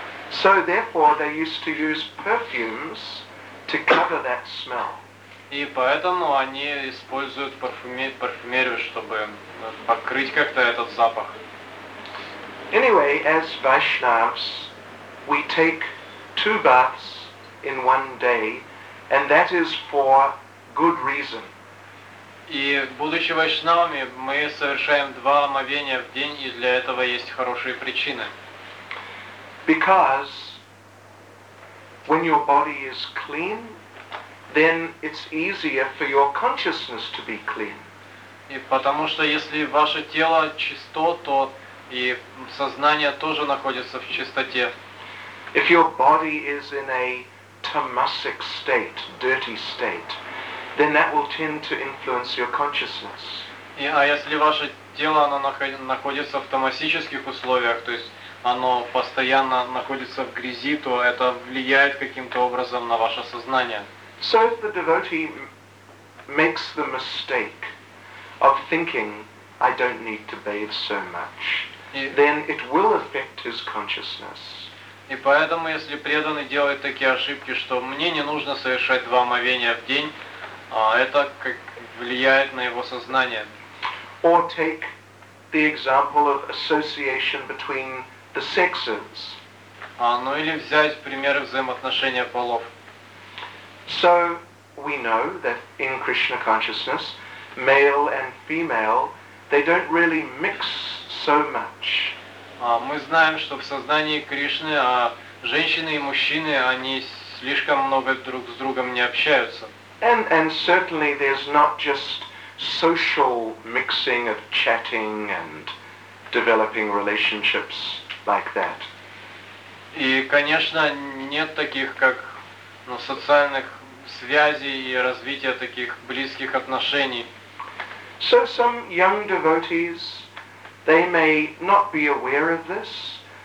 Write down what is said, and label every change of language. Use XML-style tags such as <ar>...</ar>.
<en>So therefore they used to use perfumes to cover that smell.</en> <ru>И поэтому они используют парфюмерию, чтобы покрыть как-то этот запах.</ru> <en>Anyway, as Vaishnavas, we take 2 baths in 1 day, and that is for good reason.</en> <ru>И будучи вайшнавами, мы совершаем 2 омовения в день, и для этого есть хорошие причины.</ru> <en>Because when your body is clean, then it's easier for your consciousness to be clean.</en> <ru>И потому что если ваше тело чисто, то и сознание тоже находится в чистоте.</ru> <en>If your body is in a tamasic state, dirty state, then that will tend to influence your consciousness.</en> <ru>И, а если ваше тело, оно находится в тамасических условиях, то есть оно постоянно находится в грязи, то это влияет каким-то образом на ваше сознание.</ru> <en>So if the devotee makes the mistake of thinking, I don't need to bathe so much, then it will affect his consciousness.</en> <ru>И поэтому, если преданный делает такие ошибки, что мне не нужно совершать 2 омовения в день, это влияет на его сознание.</ru> <en>Or take the example of association between the sexes.</en> <ru>А, ну или взять пример взаимоотношения полов.</ru> <en>So we know that in Krishna consciousness, male and female, they don't really mix so much.</en> <ru>А мы знаем, что в сознании Кришны женщины и мужчины, они слишком много друг с другом не общаются.</ru> <en>And certainly there's not just social mixing of chatting and developing relationships like that.</en> <ru>И, конечно, нет таких, как социальных связей и развития таких близких отношений.</ru> <en>So some young devotees, they may not be aware of this.</en>